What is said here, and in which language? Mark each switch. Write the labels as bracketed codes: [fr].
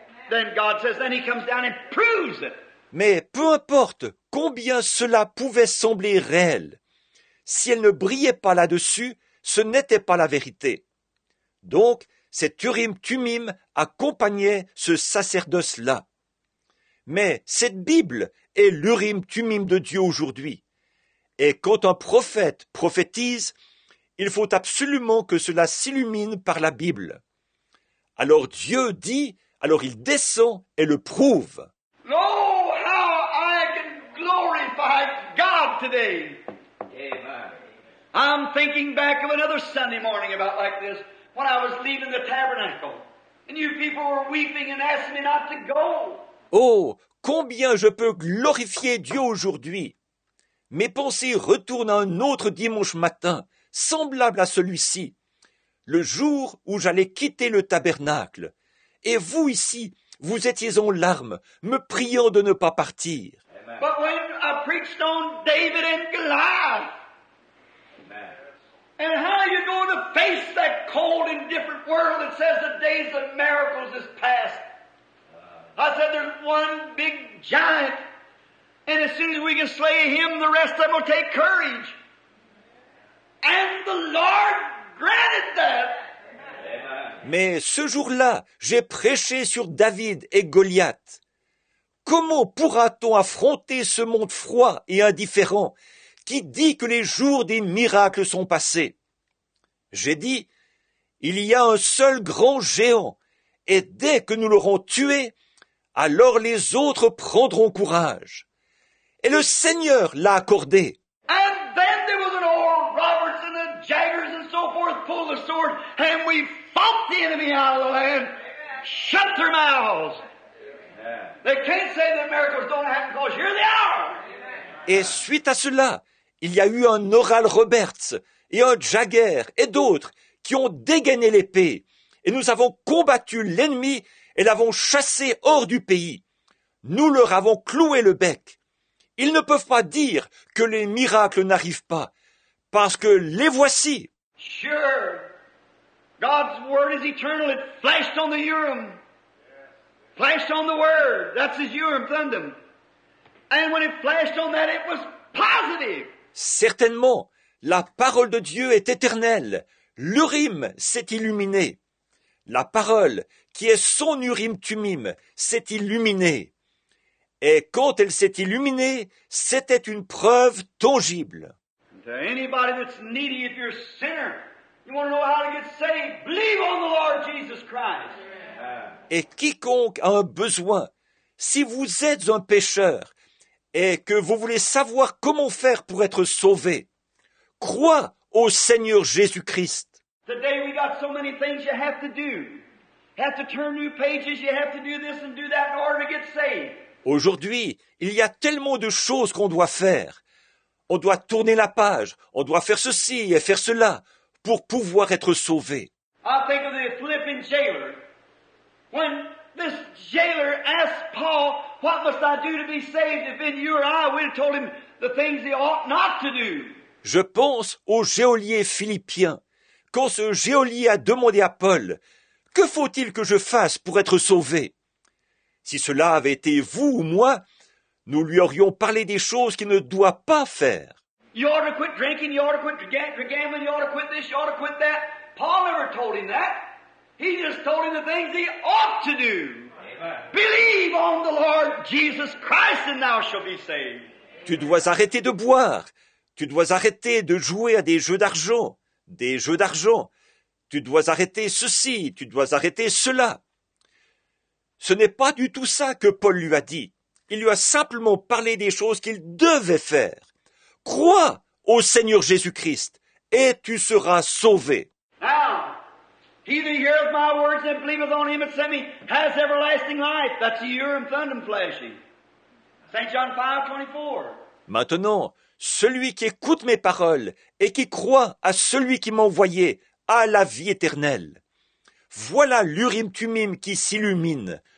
[en] Then God says, then he comes down and proves it. [fr] Mais peu importe combien cela pouvait sembler réel, si elle ne brillait pas là-dessus, ce n'était pas la vérité. Donc, cet Urim Thummim accompagnait ce sacerdoce-là. Mais cette Bible est l'Urim Thummim de Dieu aujourd'hui. Et quand un prophète prophétise, il faut absolument que cela s'illumine par la Bible. Alors Dieu dit, alors il descend et le prouve. [en] Oh, how I can glorify God today! I'm thinking back of another Sunday morning about like this, when I was leaving the tabernacle, and you people were weeping and asking me not to go. [fr] Oh, combien je peux glorifier Dieu aujourd'hui! Mes pensées retournent à un autre dimanche matin, semblable à celui-ci, le jour où j'allais quitter le tabernacle. Et vous ici, vous étiez en larmes, me priant de ne pas partir. [en] But when I preached on David and Goliath, and how are you going to face that cold and different world that says the days of miracles is past? I said, there's one big giant, and as soon as we can slay him, the rest of them will take courage. And the Lord granted that. [fr] Mais ce jour-là, j'ai prêché sur David et Goliath. Comment pourra-t-on affronter ce monde froid et indifférent qui dit que les jours des miracles sont passés? J'ai dit, il y a un seul grand géant, et dès que nous l'aurons tué, alors les autres prendront courage. Et le Seigneur l'a accordé. [en] And then there was an Oral Roberts and the Jaggers and so forth pull the sword, and we fought the enemy out of the land. Shut their mouths. They can't say that miracles don't happen because here they are. [fr] Et suite à cela, il y a eu un Oral Roberts et un Jagger et d'autres qui ont dégainé l'épée. Et nous avons combattu l'ennemi et l'avons chassé hors du pays. Nous leur avons cloué le bec. Ils ne peuvent pas dire que les miracles n'arrivent pas, parce que les voici. [en] Sure, God's word is eternal. It flashed on the Urim. Flashed on the word. That's his Urim Thummim. And when it flashed on that, it was positive. [fr] Certainement. La parole de Dieu est éternelle. L'Urim s'est illuminé. La parole, qui est son Urim Thummim, s'est illuminée. Et quand elle s'est illuminée, c'était une preuve tangible. [en] To anybody that's needy, if you're a sinner, you want to know how to get saved, believe on the Lord Jesus Christ. [fr] Et quiconque a un besoin, si vous êtes un pécheur et que vous voulez savoir comment faire pour être sauvé, crois au Seigneur Jésus-Christ. [en] Today we got so many things you have to do. You have to turn new pages, you have to do this and do that in order to get saved. [fr] Aujourd'hui, il y a tellement de choses qu'on doit faire. On doit tourner la page, on doit faire ceci et faire cela pour pouvoir être sauvé. [en] I think of the Philippian jailer. When this jailer asked Paul, what must I do to be saved? If in your eye we told him the things he ought not to do. [fr] Je pense au geôlier philippien. Quand ce geôlier a demandé à Paul, « Que faut-il que je fasse pour être sauvé ?» Si cela avait été vous ou moi, nous lui aurions parlé des choses qu'il ne doit pas faire. [en] You ought to quit drinking, you ought to quit gambling, you ought to quit this, you ought to quit that. Paul never told him that. He just told him the things he ought to do. Amen. Believe on the Lord Jesus Christ and thou shalt be saved. [fr] Tu dois arrêter de boire. Tu dois arrêter de jouer à des jeux d'argent. Des jeux d'argent. Tu dois arrêter ceci. Tu dois arrêter cela. Ce n'est pas du tout ça que Paul lui a dit. Il lui a simplement parlé des choses qu'il devait faire. Crois au Seigneur Jésus-Christ et tu seras sauvé. [en] Now, he that heareth my words and believeth on him that sent me has everlasting life. That's the Urim Thummim fleshy. St. John 5, 24. [fr] Maintenant, celui qui écoute mes paroles et qui croit à celui qui m'a envoyé a la vie éternelle. Voilà l'Urim Thummim qui s'illumine.